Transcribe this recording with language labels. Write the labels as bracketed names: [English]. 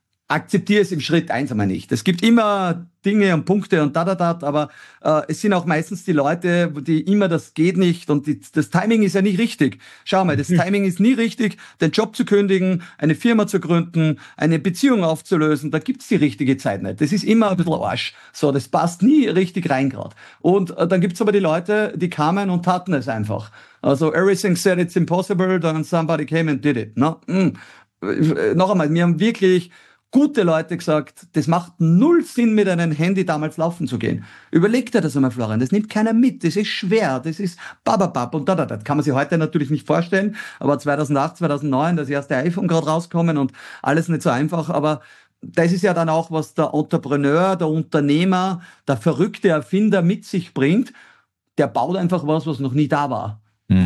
[German] akzeptiere es im Schritt 1 einmal nicht. Es gibt immer Dinge und Punkte und aber es sind auch meistens die Leute, die immer das geht nicht und das Timing ist ja nicht richtig. Schau mal, das Timing ist nie richtig, den Job zu kündigen, eine Firma zu gründen, eine Beziehung aufzulösen, da gibt es die richtige Zeit nicht. Das ist immer ein bisschen Arsch. So, das passt nie richtig rein gerade. Und dann gibt es aber die Leute, die kamen und taten es einfach. [English] Also everything said it's impossible, then somebody came and did it. No? Mm. [German] Noch einmal, wir haben wirklich gute Leute gesagt, das macht null Sinn, mit einem Handy damals laufen zu gehen. Überleg dir das einmal, Florian, das nimmt keiner mit, das ist schwer, das ist bababab und da. Das kann man sich heute natürlich nicht vorstellen, aber 2008, 2009, das erste iPhone gerade rauskommen und alles nicht so einfach, aber das ist ja dann auch, was der Entrepreneur, der Unternehmer, der verrückte Erfinder mit sich bringt, der baut einfach was, was noch nie da war. Mhm.